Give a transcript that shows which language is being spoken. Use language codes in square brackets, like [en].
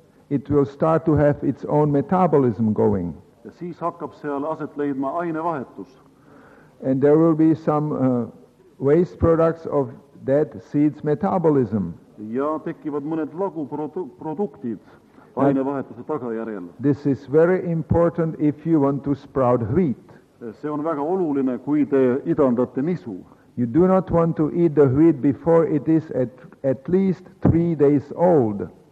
[en] it will start to have its own metabolism going. [et] Ja siis hakkab seal aset leidma ainevahetus. [en] And there will be some waste products of that seed's metabolism. [et] Ja tekivad mõned laguproduktid ainevahetuse tagajärjel. [en] This is very important if you want to sprout wheat. [et] See on väga oluline, kui te idandate nisu. [en] You do not want to eat the wheat before it is at least 3 days old.